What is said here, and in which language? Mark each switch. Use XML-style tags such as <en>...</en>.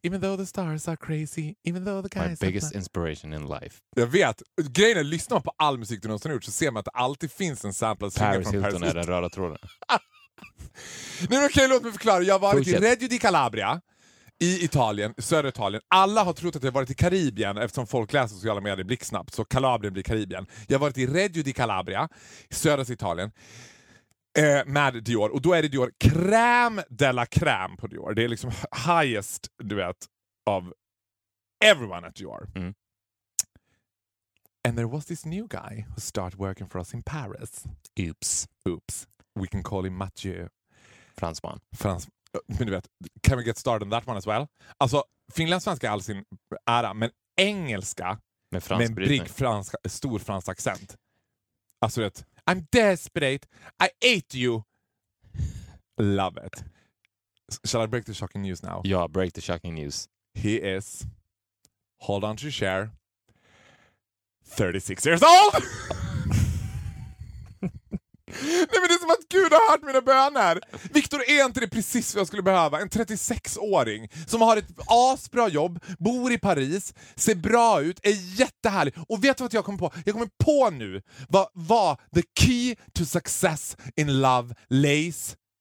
<en>Even though the stars are crazy, even though the guys... My biggest inspiration in life.</en> <sv>Jag vet. Grejen är, lyssnar på all musik du någonsin har gjort så ser man att det alltid finns en sample som Paris Hilton från Paris Hilton. Är den röda tråden. Nu kan jag låta mig förklara. Jag har varit i Reggio di Calabria i Italien, södra Italien. Alla har trott att jag har varit i Karibien eftersom folk läser sociala medier blixtsnabbt. Så Kalabrien blir Karibien. Jag har varit i Reggio di Calabria i södra Italien. Med Dior. Och då är det Dior crème de la crème på Dior. Det är liksom highest, du vet,</sv> <en>of everyone at Dior. Mm. And there was this new guy who started working for us in Paris. Oops. We can call him Mathieu.</en> <sv>Fransman. Men du vet,</sv> <en>can we get started on that one as well?</en> <sv>Alltså, finlandssvenska är all sin ära, men engelska med en brygg fransk, stor fransk accent. Alltså, du vet,</sv> <en>I'm desperate. I hate you. Love it. Shall I break the shocking news now? Yeah, break the shocking news. He is, hold on to your chair, 36 years old!</en> <sv>Nej, men det är som att Gud har hört mina böner. Victor, är inte det precis vad jag skulle behöva? En 36-åring som har ett asbra jobb, bor i Paris, ser bra ut, är jättehärlig. Och vet du vad jag kommer på? Jag kommer på nu vad</sv> <en>the key to success in love lays?</en>